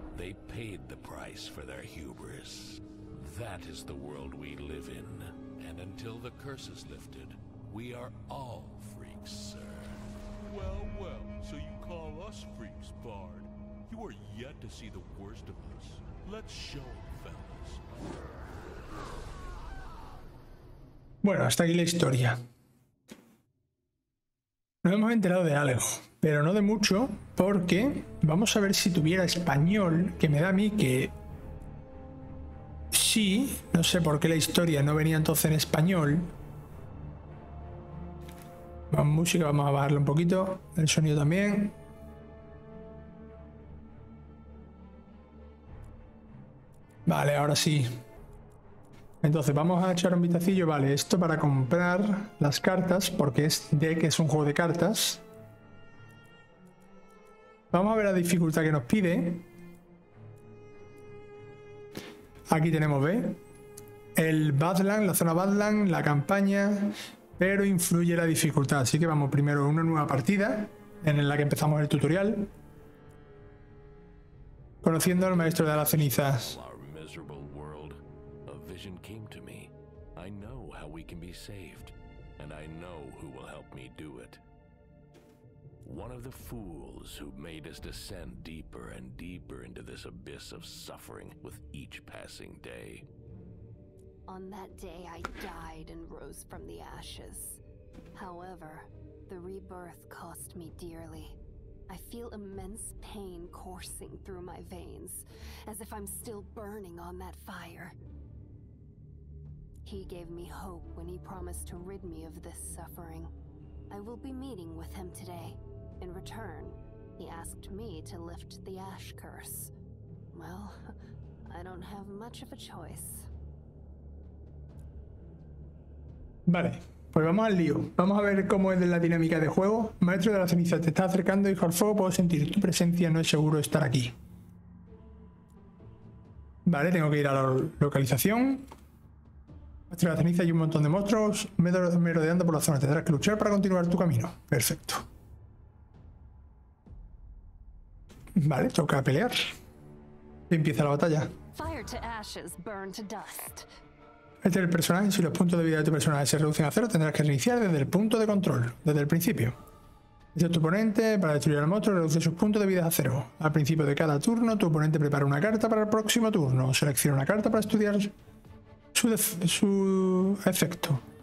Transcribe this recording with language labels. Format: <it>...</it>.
<en>They paid the price for their hubris. That is the world we live in. And until the curse is lifted, we are all freaks, sir. Well, well, so you call us freaks, Bard. You are yet to see the worst of us. Let's show them, fellas.</en> <es>Bueno, hasta aquí la historia. Nos hemos enterado de algo. Pero no de mucho, porque vamos a ver si tuviera español, que me da a mí que sí, no sé por qué la historia no venía entonces en español. La música, vamos a bajarlo un poquito, el sonido también. Vale, ahora sí. Entonces vamos a echar un vistacillo, vale, esto para comprar las cartas, porque es deck, es un juego de cartas. Vamos a ver la dificultad que nos pide. Aquí tenemos, ¿ve? El Badland, la zona Badland, la campaña, pero influye la dificultad. Así que vamos primero a una nueva partida en la que empezamos el tutorial. Conociendo al maestro de las cenizas.</es> <en>Our miserable world, a vision came to me. I know how we can be saved, and I know who will help me do it. One of the fools who made us descend deeper and deeper into this abyss of suffering with each passing day. On that day, I died and rose from the ashes. However, the rebirth cost me dearly. I feel immense pain coursing through my veins, as if I'm still burning on that fire. He gave me hope when he promised to rid me of this suffering. I will be meeting with him today. In return, he asked me to lift the Ash Curse. Well, I don't have much of a choice.</en> <es>Vale, pues vamos al lío. Vamos a ver cómo es la dinámica de juego. Maestro de la ceniza, te está acercando, hijo al fuego. Puedo sentir tu presencia, no es seguro estar aquí. Vale, tengo que ir a la localización. Maestro de la ceniza, hay un montón de monstruos merodeando por la zona. Tendrás que luchar para continuar tu camino. Perfecto. Vale, toca pelear. Empieza la batalla.</es> <en>Fire to ashes, burn to dust.</en> <es>Este es el personaje. Si los puntos de vida de tu personaje se reducen a cero, tendrás que reiniciar desde el punto de control, desde el principio. Dice tu oponente, para destruir al monstruo, reduce sus puntos de vida a cero. Al principio de cada turno, tu oponente prepara una carta para el próximo turno. Selecciona una carta para estudiar su efecto.</es>